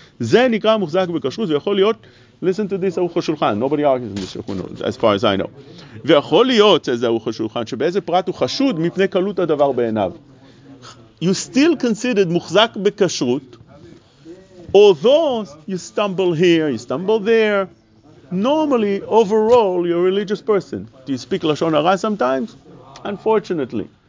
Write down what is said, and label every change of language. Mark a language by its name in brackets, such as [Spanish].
[Hebrew] זה נקרא מוחזק בקשרות, ויכול להיות, [English] listen to this, [Hebrew] ארוך השולחן. [English] Nobody argues in this, who knows, as far as I know. [Hebrew] ויכול להיות, says ארוך השולחן, שבאיזה פרט הוא חשוד מפני קלות הדבר בעיניו. [English] You still considered מוחזק בקשרות, although you stumble here, you stumble there, normally, overall, you're a religious person. Do you speak Lashon Hara sometimes? Unfortunately.